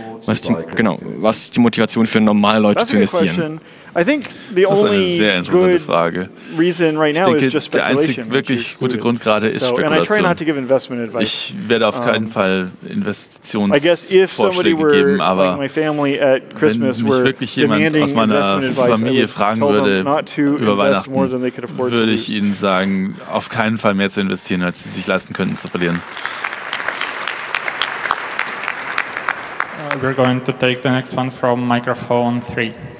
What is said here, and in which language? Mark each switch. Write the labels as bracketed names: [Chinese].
[German] was ist die Motivation für normale Leute zu investieren? [English] I think the only good reason right now is just speculation. [German] Ich denke, der einzig wirklich gute Grund gerade ist Spekulation. Ich werde auf keinen Fall Investitionsvorschläge geben, aber wenn mich wirklich jemand aus meiner Familie fragen würde über Weihnachten, würde ich ihnen sagen, auf keinen Fall mehr zu investieren, als sie sich leisten könnten zu verlieren. [English] We're going to take the next one from microphone 3.